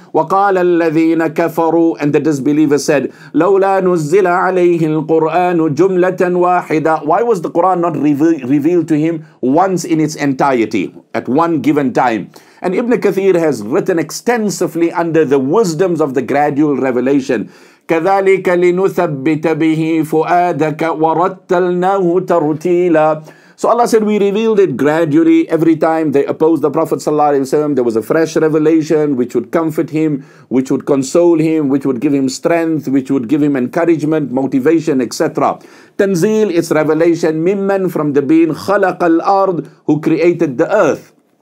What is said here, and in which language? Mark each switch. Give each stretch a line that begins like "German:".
Arabic: وَقَالَ الَّذِينَ كَفَرُوا,
English: and the disbelievers said,
Arabic: لَوْلَا نُزِّلَ عَلَيْهِ الْقُرْآنُ جُمْلَةً وَاحِدًا.
English: Why was the Quran not revealed to him once in its entirety, at one given time? And Ibn Kathir has written extensively under the wisdoms of the gradual revelation.
Arabic: كَذَلِكَ لِنُثَبِّتَ بِهِ فُؤَادَكَ وَرَتَّلْنَاهُ تَرْتِيلًا.
English: So Allah said, we revealed it gradually. Every time they opposed the Prophet sallallahu alaihi wasallam, there was a fresh revelation which would comfort him, which would console him, which would give him strength, which would give him encouragement, motivation, etc. Tanzil, it's revelation. Mimman, from the being.
Arabic: خَلَقَ الْأَرْضِ,
English: who created the earth.